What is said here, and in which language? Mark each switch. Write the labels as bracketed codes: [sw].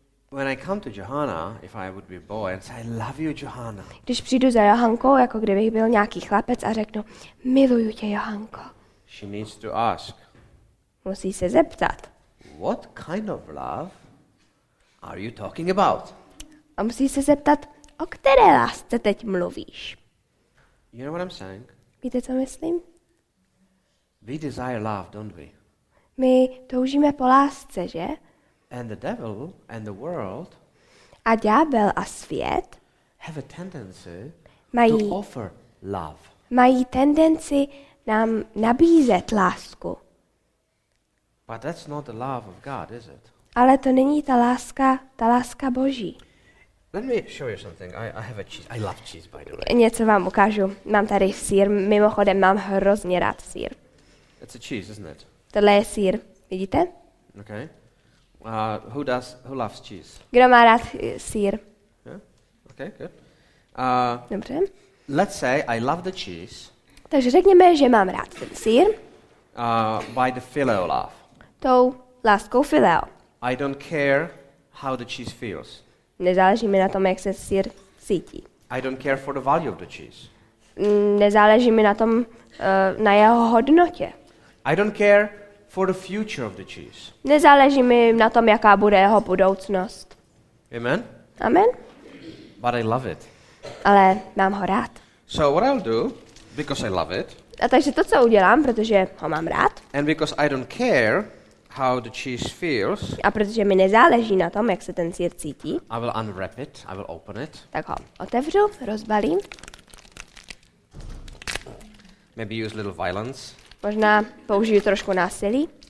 [en] When I come to Johanna, if I would be a boy and say I love you, Johanna. [cs] Když přijdu za Johankou, jako kdybych byl nějaký chlapec a řeknu miluju tě, Johanko. [en] She needs to ask. [cs] Musí se zeptat. [en] What kind of love are you talking about? [cs] A musí se zeptat, o které lásce teď mluvíš? [en] You know what I'm saying? [cs] Víte, co myslím? [en] We desire love, don't we? [cs] My toužíme po lásce, že? [en] And the devil and the world. [cs] A ďábel a svět. [en] Have a tendency to offer love. [cs] Mají tendenci nám nabízet lásku. [en] But that's not the love of God, is it? [cs] Ale to není ta láska Boží. [en] Let me show you something. I have a cheese. I love cheese, by the way. [cs] Něco vám ukážu. Mám tady sýr. Mimochodem, mám hrozně rád sýr. [en] It's a cheese, isn't it? [cs] Tohle je sýr. Vidíte? [en] Okay. Who loves cheese? [cs] Kdo má rád sýr? [en] Yeah. Okay, good. [cs] Dobře. [en] Let's say I love the cheese. [cs] Takže řekněme, že mám rád ten sýr. [en] By the phileo love. [cs] Tou láskou phileo. [en] I don't care how the cheese feels. [cs] Nezáleží mi na tom, jak se sýr cítí. [en] I don't care for the value of the cheese. [cs] Nezáleží mi na tom, na jeho hodnotě. [en] I don't care for the future of the cheese. [cs] Nezáleží mi na tom, jaká bude jeho budoucnost. [en] Amen. [cs] Amen. [en] But I love it. [cs] Ale mám ho rád. [en] So what I'll do, because I love it. [cs] A takže to, co udělám, protože ho mám rád. [en] And because I don't care how the cheese feels. [cs] A protože mi nezáleží na tom, jak se ten sýr cítí. [en] I will unwrap it. I will open it. [cs] Tak ho otevřu, rozbalím. [en] Maybe use a little violence. [cs] Možná použiju trošku násilí.